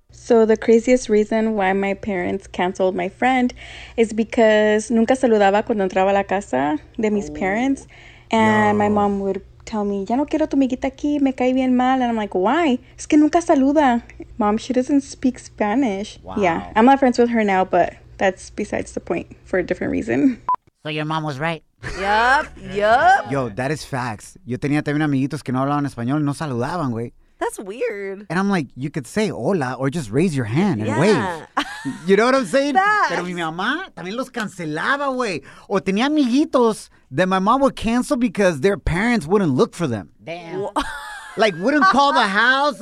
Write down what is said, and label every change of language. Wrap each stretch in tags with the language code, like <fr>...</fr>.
<en>So the craziest reason why my parents canceled my friend is because</en> <es>nunca saludaba cuando entraba a la casa de mis</es> <en>parents. And no. my mom would tell me,</en> <es>ya no quiero tu amiguita aquí, me cae bien mal.</es> <en>And I'm like, why?</en> <es>Es que nunca saluda.</es> <en>Mom, she doesn't speak Spanish. Wow. Yeah, I'm not friends with her now, but that's besides the point for a different reason. So your mom was right. Yep. Yo, that is facts.</en> <es>Yo tenía también amiguitos que no hablaban español y no saludaban, güey.</es> <en>That's weird. And I'm like, you could say hola or just raise your hand and wave. You know what I'm saying? That's...</en> <es>Pero mi mamá también los cancelaba, güey. O tenía amiguitos</es> <en>that my mom would cancel because their parents wouldn't look for them. Damn. Like, wouldn't call the house.</en>